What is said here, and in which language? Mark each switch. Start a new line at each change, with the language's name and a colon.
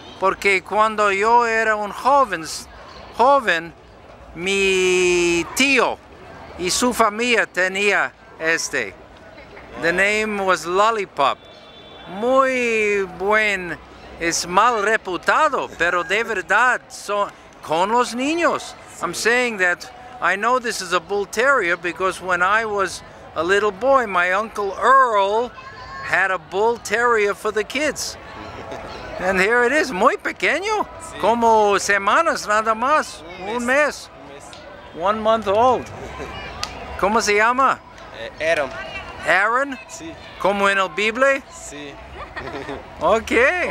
Spanish: Porque cuando yo era un joven, mi tío y su familia tenía este.
English: The name was Lollipop.
Spanish: Muy buen, es mal reputado, pero de verdad, con los niños.
English: I'm saying that I know this is a bull terrier because when I was a little boy, my uncle Earl had a bull terrier for the kids.
Spanish: And here it is, muy pequeño, como semanas nada más, un mes,
English: 1 month old.
Spanish: ¿Cómo se llama? Adam. Aaron? Sí. ¿Como en el Bible? Sí. Okay.